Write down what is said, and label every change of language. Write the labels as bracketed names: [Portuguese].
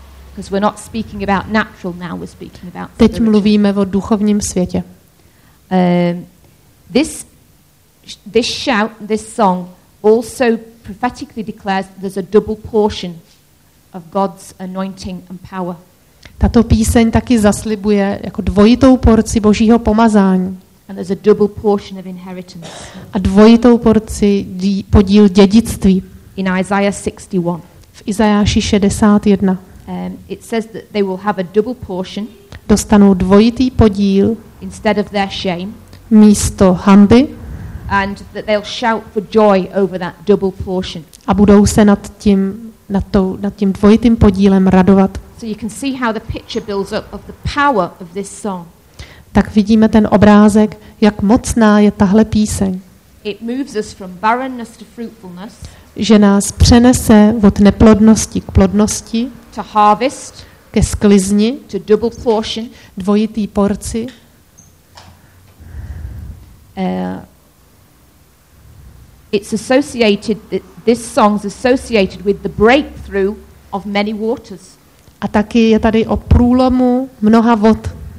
[English] Because we're not speaking about natural now, we're speaking about spiritual. [Czech] Teď mluvíme o duchovním světě. [English] This shout, this song also prophetically declares there's a double portion of God's anointing and power. [Czech] Tato píseň taky zaslibuje jako dvojitou porci Božího pomazání. [English] And there's a double portion of inheritance. [Czech] A dvojitou porci podíl dědictví. [English] In Isaiah 61. [Czech] V Izajáši 61. [English] It says that they will have a double portion. [Czech] Dostanou dvojitý podíl. [English] Instead of their shame. [Czech] Místo hamby. [English] And that they'll shout for joy over that double portion. [Czech] A budou se nad tím dvojitým podílem radovat. [English] So you can see how the picture builds up of the power of this song. [Czech] Tak vidíme ten obrázek, jak mocná je tahle píseň. [English] It moves us from barrenness to fruitfulness, [Czech] že nás přenese od neplodnosti k plodnosti, [English] to harvest, [Czech] ke sklizni, [English] to double portion, [Czech] dvojitý porci. [English] It's associated, this song's associated with the breakthrough of many waters. [Czech] A taky je tady o průlomu mnoha vod.